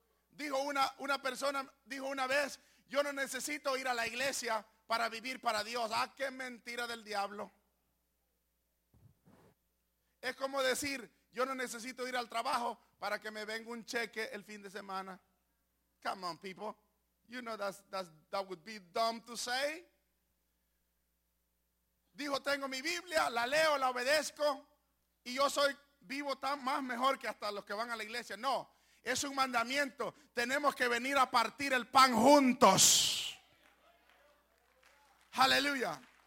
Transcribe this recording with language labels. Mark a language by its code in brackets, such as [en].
[es] Dijo una persona, dijo una vez, yo no necesito ir a la iglesia para vivir para Dios. Ah, qué mentira del diablo. Es como decir, yo no necesito ir al trabajo para que me venga un cheque el fin de semana. [en] Come on, people. You know that would be dumb to say. [es] Dijo, tengo mi Biblia, la leo, la obedezco y yo soy vivo tan más mejor que hasta los que van a la iglesia. No, es un mandamiento. Tenemos que venir a partir el pan juntos. Aleluya.